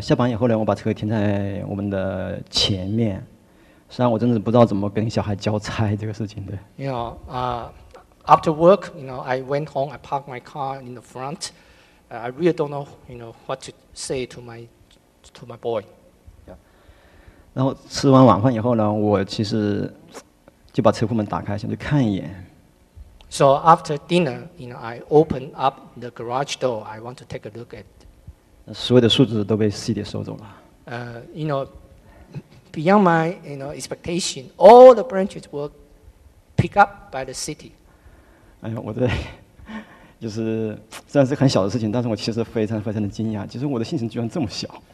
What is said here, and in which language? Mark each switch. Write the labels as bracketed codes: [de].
[zh] 下班以后呢，我把车停在我们的前面。实际上我真的不知道怎么跟小孩交差这个事情的。 [en] You know, after work, you know, I went home, I parked my car in the front. I really don't know, you know, what to say to my boy. [zh] Yeah. 然后吃完晚饭以后呢，我其实就把车库门打开，想去看一眼。 [en] So after dinner, you know, I opened up the garage door. I want to take a look at. [zh] 所有的树枝都被city收走了。 [en] You know. Beyond my, you know, expectation, all the branches were picked up by the city. [zh] 哎呀，我的就是虽然是很小的事情，但是我其实非常非常的惊讶，就是我的信心居然这么小。